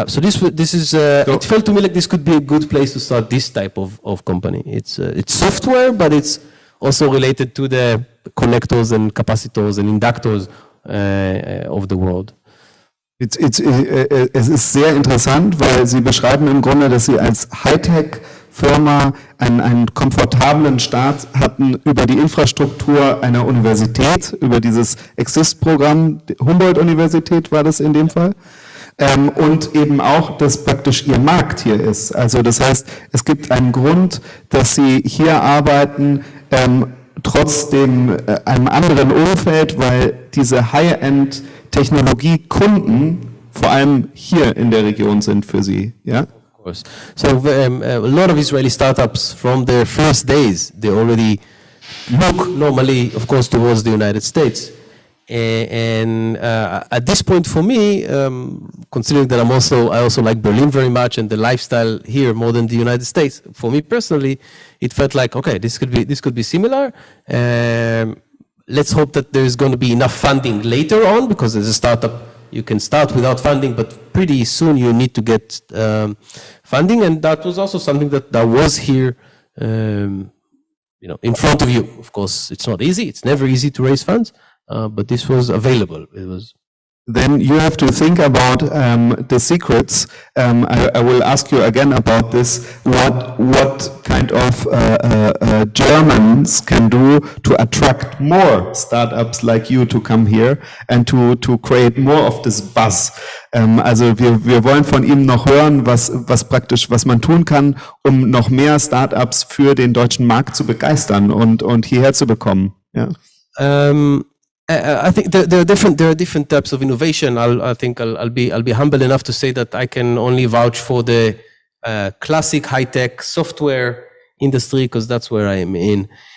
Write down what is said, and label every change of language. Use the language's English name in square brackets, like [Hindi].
[English] So it felt to me like this could be a good place to start this type of company. It's software, but it's also related to the connectors and capacitors and inductors of the world. [German] Es ist sehr interessant, weil Sie beschreiben im Grunde, dass Sie als Hightech-Firma einen komfortablen Start hatten über die Infrastruktur einer Universität, über dieses EXIST-Programm, Humboldt-Universität war das in dem Fall. Und eben auch, dass praktisch Ihr Markt hier ist. Also das heißt, es gibt einen Grund, dass Sie hier arbeiten, trotzdem einem anderen Umfeld, weil diese High-End-Technologie-Kunden vor allem hier in der Region sind für Sie. Ja? [English] Of course. So a lot of Israeli startups from their first days, they already look normally, of course, towards the United States. And at this point for me, considering that I also like Berlin very much and the lifestyle here more than the United States, for me personally, it felt like, okay, this could be similar. Let's hope that there's going to be enough funding later on, because as a startup, you can start without funding, but pretty soon you need to get funding. And that was also something that was here, in front of you. Of course, it's not easy. It's never easy to raise funds. But this was available. It was then you have to think about the secrets. I will ask you again about this. What kind of Germans can do to attract more startups like you to come here and to create more of this buzz? [German] Also wir wollen von ihm noch hören, was man tun kann, um noch mehr Startups für den deutschen Markt zu begeistern und hierher zu bekommen. Ja. [English] I think there are different types of innovation. I'll be humble enough to say that I can only vouch for the classic high tech software industry because that's where I am in.